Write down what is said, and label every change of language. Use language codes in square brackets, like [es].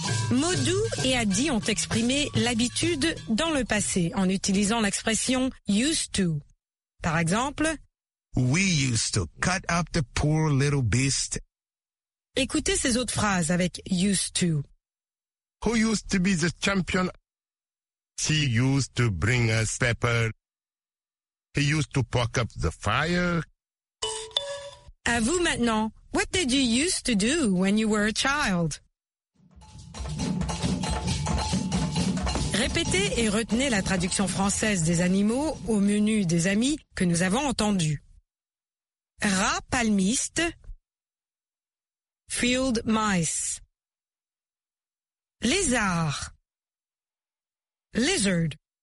[fr] Modou et Addy ont exprimé l'habitude dans le passé en utilisant l'expression « used to ». Par exemple, [en] « We used to cut up the poor little beast ». [fr] Écoutez ces autres phrases avec « used to ». [en] Who used to be the champion? She used to bring us pepper. He used to poke up the fire. [fr] À vous maintenant. [en] What did you used to do when you were a child? [fr] Répétez et retenez la traduction française des animaux au menu des amis que nous avons entendu. Rat palmiste. [en] Field mice. [fr] Lézard. [en] Lizard.